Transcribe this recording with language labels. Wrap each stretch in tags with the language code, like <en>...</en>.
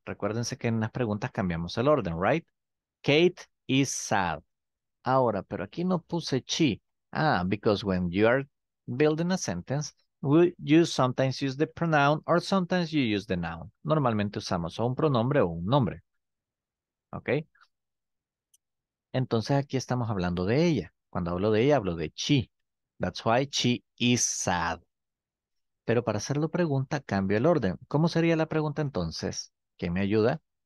<es>Recuérdense que en las preguntas cambiamos el orden, right?</es> <en>Kate is sad.</en> <es>Ahora, pero aquí no puse she.</es> <en>Ah, because when you are building a sentence, we use sometimes use the pronoun or sometimes you use the noun.</en> <es>Normalmente usamos o un pronombre o un nombre. ¿Ok? Entonces aquí estamos hablando de ella. Cuando hablo de ella, hablo de she.</es> <en>That's why she is sad.</en> <es>Pero para hacerlo pregunta, cambio el orden. ¿Cómo sería la pregunta entonces? ¿Qué me ayuda?</es>